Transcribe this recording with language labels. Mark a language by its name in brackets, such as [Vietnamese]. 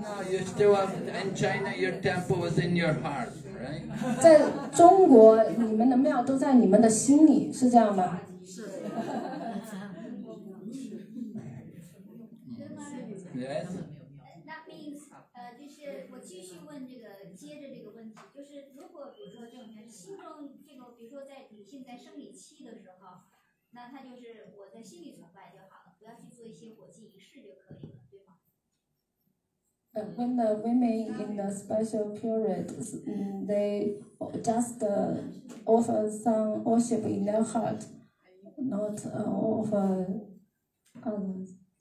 [English] You still have, in China, your temple is in your heart, right? [Chinese] 在中国，你们的庙都在你们的心里，是这样吗？是。 [English] Yes. That means, [Chinese] 就是我继续问这个，接着这个问题，就是如果比如说这种心中这个，比如说在女性在生理期的时候，那她就是我在心里崇拜就好了，不要去做一些火祭仪式就可以了。 [English] When the women in the special period, they just offer some worship in their heart, not offer others.